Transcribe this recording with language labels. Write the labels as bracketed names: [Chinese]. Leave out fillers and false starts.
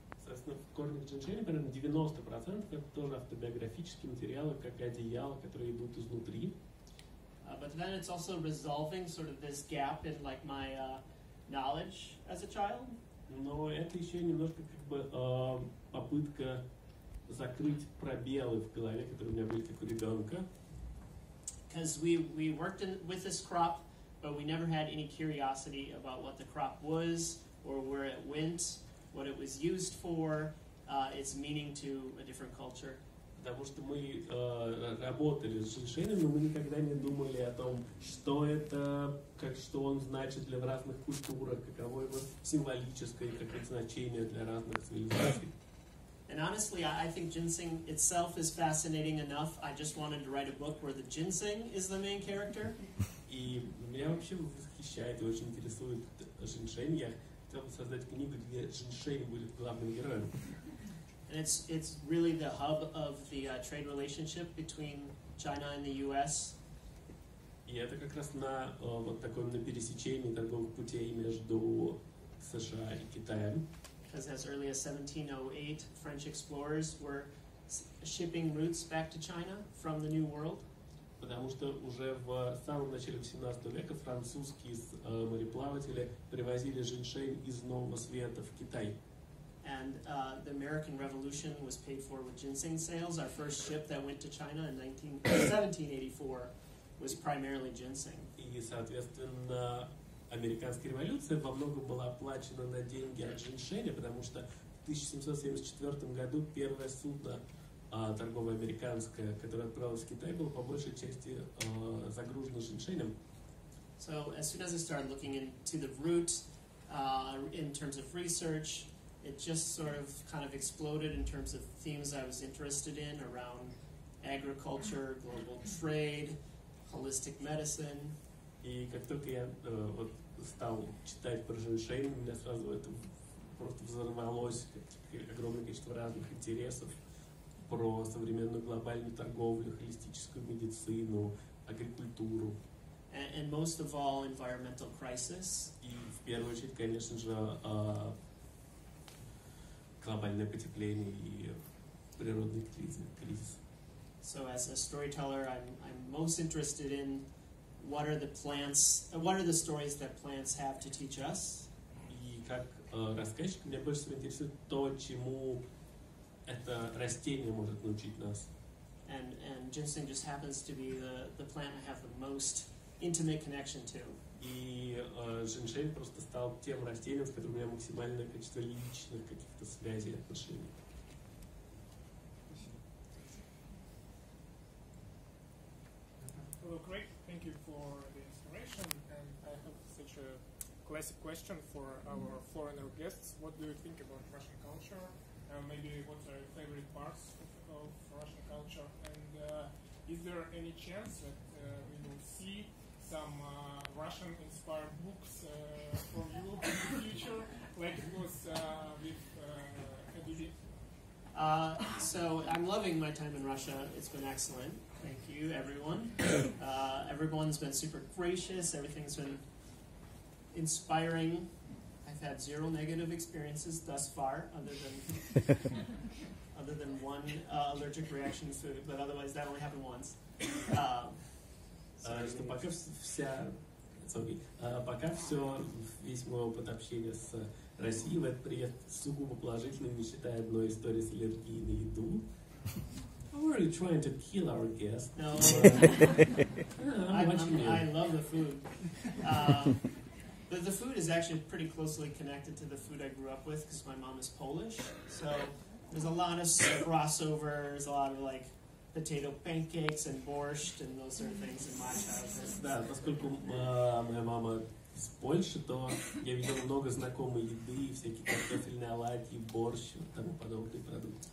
[Russian] Соответственно, в корне Ginseng, примерно 90% это тоже автобиографические материалы, как одеяла, которые идут изнутри. [English] But then it's also resolving sort of this gap in, like, my knowledge as a child. [Russian] Но это еще немножко как бы попытка закрыть пробелы в голове, которые у меня были как у ребенка. [English] Because we worked in, with this crop, but we never had any curiosity about what the crop was or where it went, what it was used for, its meaning to a different culture. [Russian] Потому что мы работали с женщинами, но мы никогда не думали о том, что это, как, что он значит для разных культур, каково его символическое и какое значение для разных цивилизаций. [English] And honestly, I think ginseng itself is fascinating enough. I just wanted to write a book where the ginseng is the main character. [Russian] И меня вообще восхищает и очень интересует женьшень. Я хотел бы создать книгу, где женьшень будет главным героем. [English] And it's really the hub of the trade relationship between China and the U.S. [Russian] И это как раз на вот таком на пересечении торговых путей между США и Китаем. [English] Because as early as 1708, French explorers were shipping roots back to China from the New World. [Russian] Потому что уже в самом начале 18 века французские мореплаватели привозили женьшень из Нового Света в Китай. [English] And the American Revolution was paid for with ginseng sales. Our first ship that went to China in 1784 was primarily ginseng. [Russian] И, соответственно, американская революция во многом была оплачена на деньги от женьшеня, потому что в 1774 году первое судно торговое американское, которое отправилось в Китай, было по большей части загружено женьшенем. [English] So as soon as I started looking into the root in terms of research, it just sort of kind of exploded in terms of themes I was interested in around agriculture, global trade, holistic medicine. [Russian] И как только я вот стал читать про женьшень, у меня сразу это просто взорвалось огромное количество разных интересов про современную глобальную торговлю, холистическую медицину, агрикультуру. [English] And most of all, environmental crisis. [Russian] И в первую очередь, конечно же, глобальное потепление и природный кризис. [English] So as a storyteller, I'm most interested in what are the plants? What are the stories that plants have to teach us? [Russian] И как рассказчик, мне больше всего интересует то, чему это растение может научить нас. [English] And ginseng just happens to be the plant I have the most intimate connection to. [Russian] И женьшень просто стал тем растением, с которым у меня максимальное количество личных каких-то связей и отношений. [English] Hello, Craig. Thank you for the inspiration. And I have such a classic question for our foreigner guests. What do you think about Russian culture? Maybe what are your favorite parts of Russian culture? And is there any chance that we will see some Russian-inspired books from you in the future, like it was with Hadidi? So I'm loving my time in Russia. It's been excellent. Thank you, everyone. Everyone's been super gracious. Everything's been inspiring. I've had zero negative experiences thus far, other than other than one allergic reaction to food, but otherwise that only happened once. [Russian] Пока все, весь мой опыт общения с Россией в этот приезд сугубо положительный, не считая одной истории с аллергией на еду. [English] We're really trying to kill our guest. No, I love the food. The food is actually pretty closely connected to the food I grew up with because my mom is Polish. So there's a lot of crossovers, a lot of like potato pancakes and borscht and those sort of things in my childhood. [Russian] Да, поскольку моя мама из Польши, то я видел много знакомой еды, всякие картофельные оладьи, борщ, тому подобные продукты.